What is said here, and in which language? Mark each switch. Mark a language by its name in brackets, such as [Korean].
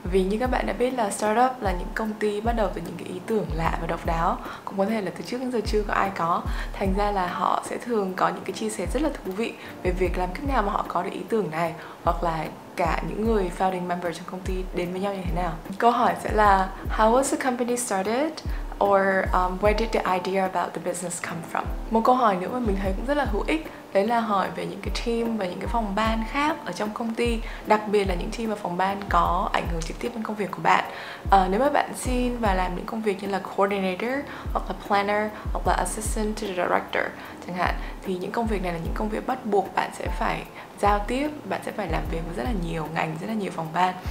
[Vietnamese] Vì như các bạn đã biết là startup là những công ty bắt đầu từ những cái ý tưởng lạ và độc đáo, cũng có thể là từ trước đến giờ chưa có ai có. Thành ra là họ sẽ thường có những cái chia sẻ rất là thú vị về việc làm cách nào mà họ có được ý tưởng này, hoặc là cả những người [English] founding member [Vietnamese] trong công ty đến với nhau như thế nào. Câu hỏi sẽ là [English] how was the company started, or where did the idea about the business come from? [Vietnamese] Một câu hỏi nữa mà mình thấy cũng rất là hữu ích đấy là hỏi về những cái team và những cái phòng ban khác ở trong công ty, đặc biệt là những team và phòng ban có ảnh hưởng trực tiếp đến công việc của bạn. Nếu mà bạn xin và làm những công việc như là coordinator hoặc là planner hoặc là [English] assistant to the director [Vietnamese] chẳng hạn, thì những công việc này là những công việc bắt buộc bạn sẽ phải giao tiếp, bạn sẽ phải làm việc với rất là nhiều ngành, rất là nhiều phòng ban.